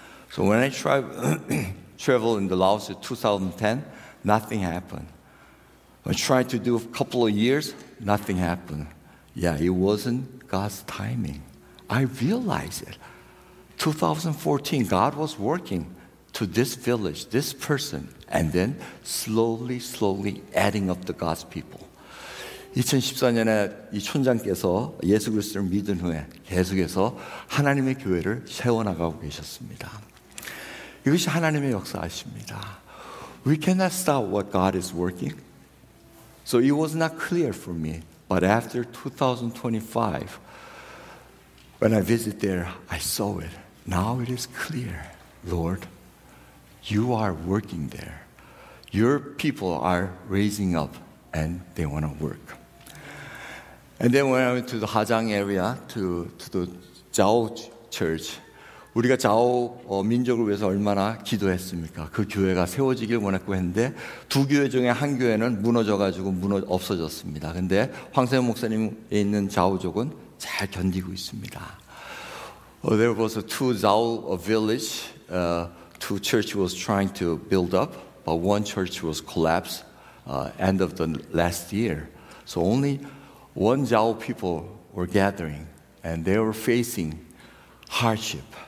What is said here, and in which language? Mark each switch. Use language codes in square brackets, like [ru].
[en] So when I traveled in the Laos in 2010, nothing happened. I tried to do a couple of years, nothing happened. Yeah, it wasn't God's timing. I realized it. 2014, God was working to this village, this person, and then slowly, slowly adding up the God's people. [ko] 2014년에 이 촌장께서 예수 그리스도를 믿은 후에 계속해서 하나님의 교회를 세워나가고 계셨습니다. 이것이 하나님의 역사이십니다. [en] We cannot stop what God is working. So it was not clear for me. But after 2025, when I visit there, I saw it. Now it is clear, Lord, you are working there. Your people are raising up and they want to work. And then when I went to the Hajang area, to the Jiao Church, [ko] 우리가 Jiao 민족을 위해서 얼마나 기도했습니까? 그 교회가 세워지길 원했고 했는데 두 교회 중에 한 교회는 무너져가지고 없어졌습니다. 근데 황세현 목사님에 있는 Jiao족은 잘 견디고 있습니다. [en] There was a two Jiao village, two church was trying to build up, but one church was collapsed end of the last year. So only one Jiao people were gathering, and they were facing hardship.